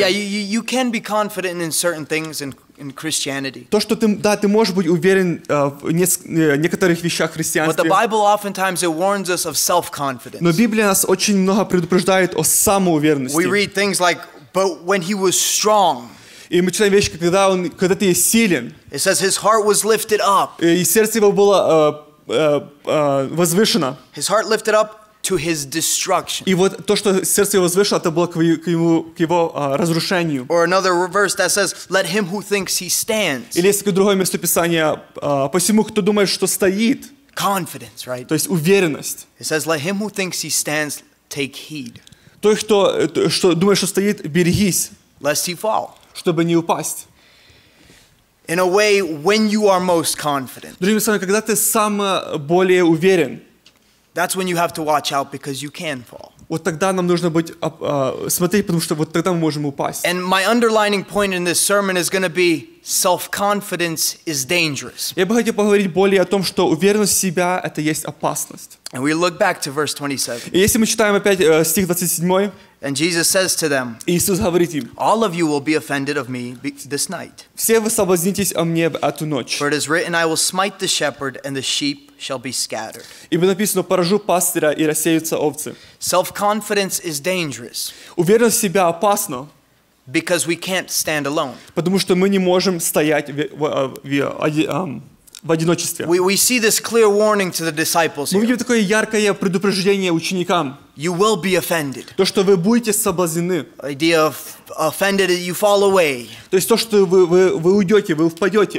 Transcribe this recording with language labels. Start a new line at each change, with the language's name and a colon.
English: Yeah, you can be confident in certain things in Christianity.
Russian: То, что ты можешь быть уверен в некоторых вещах христианства.
English: But the Bible oftentimes it warns us of self-confidence.
Russian: Но Библия нас очень много предупреждает о самоуверенности.
English: We read things like but when he was strong.
Russian: И мы читаем вещи, когда ты силен.
English: It says his heart was lifted up.
Russian: И сердце его было возвышено.
English: His heart lifted up to his destruction.
Russian: И вот то, что сердце его возвышило, это было к его разрушению.
English: Or another verse that says, let him who thinks he stands.
Russian: Или есть другое место Писания, посему кто думает, что стоит.
English: Confidence, right?
Russian: То есть уверенность.
English: It says, let him who thinks he stands take heed.
Russian: То, что думаешь, что стоит, берегись,
English: lest he fall.
Russian: Чтобы не упасть.
English: In a way, when you are most confident.
Russian: Другими словами, когда ты сам более уверен.
English: That's when you have to watch out because you can fall.
Russian: Вот тогда нам нужно смотреть, потому что вот тогда мы можем упасть.
English: And my underlining point in this sermon is going to be self-confidence is dangerous.
Russian: Я бы хотел поговорить более о том, что уверенность в себя — это есть опасность.
English: And we look back to verse 27.
Russian: И если мы читаем опять стих 27.
English: And Jesus says to them,
Russian: Иисус говорит им,
English: all of you will be offended of me this night.
Russian: Все вы соблазнитесь о мне в эту ночь.
English: For it is written, I will smite the shepherd and the sheep shall be scattered.
Russian: Ибо написано, поражу пастыря и рассеются овцы.
English: Self-confidence is dangerous.
Russian: Уверенность в себя опасна.
English: Because we can't stand alone.
Russian: Потому что мы не можем стоять в одиночестве.
English: We see this clear warning to the disciples.
Russian: Мы видим такое яркое предупреждение ученикам.
English: You will be offended.
Russian: То, что вы будете соблазнены.
English: Idea of offended, you fall away.
Russian: То есть то, что вы уйдете, вы впадете.